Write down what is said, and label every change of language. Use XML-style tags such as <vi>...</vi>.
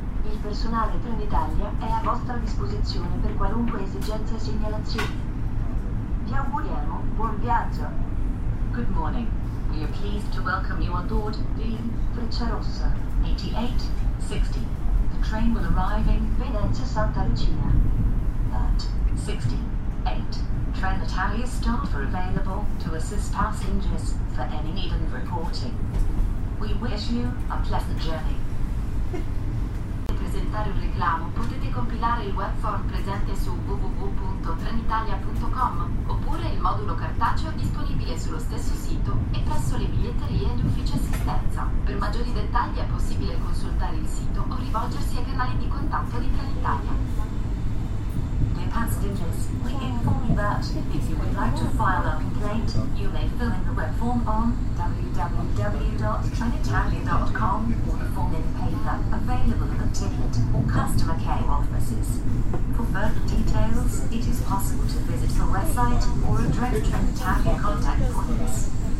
<it>Il personale Trenitalia è a vostra disposizione per qualunque esigenza e segnalazione. Vi auguriamo buon viaggio.</it> <en>Good morning. We are pleased to welcome you on board the Frecciarossa 8860. The train will arrive in Venezia Santa Lucia at 68. Trenitalia staff are available to assist passengers for any need of reporting. We wish you a pleasant journey.</en> <it>Per presentare un reclamo potete compilare il web form presente su www.trenitalia.com oppure il modulo cartaceo disponibile sullo stesso sito e presso le biglietterie e gli uffici assistenza. Per maggiori dettagli è possibile consultare il sito o rivolgersi ai canali di contatto di Trenitalia.</it> <en>Passengers, we inform you that if you would like to file a complaint, you may fill in the web form on www.trenitalia.com or the form in paper available at the ticket or customer care offices. For further details, it is possible to visit the website or address Trenitalia contact points.</en>